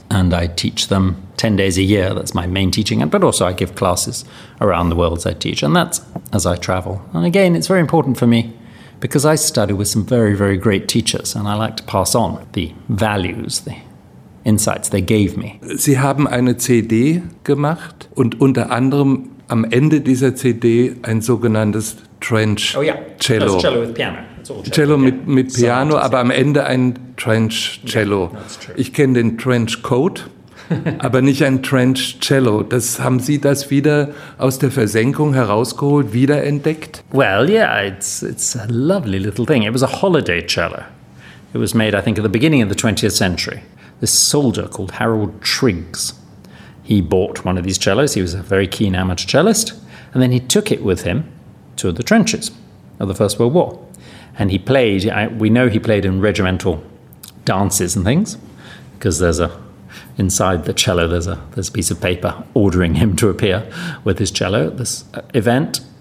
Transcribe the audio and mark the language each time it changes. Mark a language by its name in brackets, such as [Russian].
[English] And I teach them 10 days a year. That's my main teaching. But also I give classes around the world as I teach. And that's as I travel. And again, it's very important for me because I study with some very, very great teachers. And I like to pass on the values, the insights they gave me. [German] Sie haben eine CD gemacht und unter anderem am Ende dieser CD ein sogenanntes Trench Cello. Oh ja, das [English] Cello with piano. It's all [German] cello mit Piano, aber am Ende ein Trench Cello. [English] Yeah, that's true. [German] Ich kenne den Trench Coat, aber nicht ein Trench Cello. Das haben Sie das wieder aus der Versenkung herausgeholt, wiederentdeckt? [English] Well, yeah, it's a lovely little thing. It was a holiday cello. It was made, I think, at the beginning of the 20th century. This soldier called Harold Triggs. He bought one of these cellos. He was a very keen amateur cellist. And then he took it with him to the trenches of the First World War. And he played, we know he played in regimental dances and things, because there's a, inside the cello, there's a piece of paper ordering him to appear with his cello at this event.